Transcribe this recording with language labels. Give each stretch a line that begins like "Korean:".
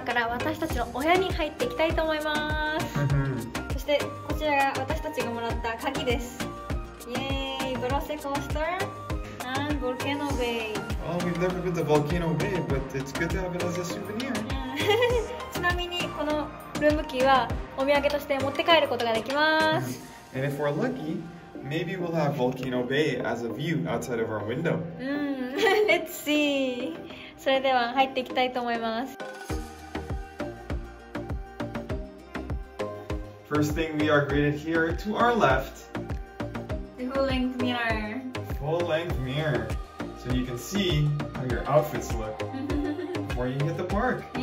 Japanese: 私たちのお部屋に入っていきたいと思います。そしてこちらが私たちがもらった鍵です。イエーイ、ブロセコースターアンボルケノベイ。
English: Oh, we've never been to Volcano Bay, but it's good to have it as a souvenir.
Japanese: ちなみにこのルームキーはお土産として持って帰ることができます。
English: And if we're lucky, maybe we'll have Volcano Bay as a view outside of our window. Let's see.
Japanese: それでは入っていきたいと思います。
English: First thing we are greeted here to our left. The full length mirror. Full length mirror. So you can see how your outfits look before you hit the park.